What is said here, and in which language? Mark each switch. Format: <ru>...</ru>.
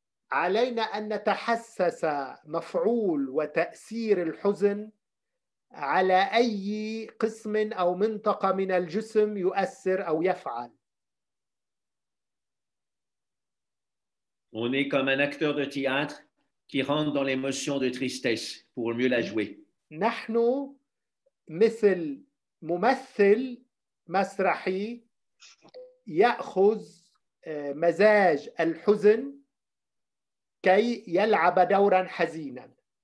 <ar>علينا أن نتحسس مفعول وتأثير الحزن على أي قسم أو منطقة من الجسم يؤثر أو يفعل.</ar> <fr>On est comme un acteur de théâtre qui rentre dans l'émotion de tristesse pour mieux la jouer.</fr> <ar>نحن مثل ممثل مسرحي يأخذ مزاج الحزن كي يلعب دورا حزينا.</ar>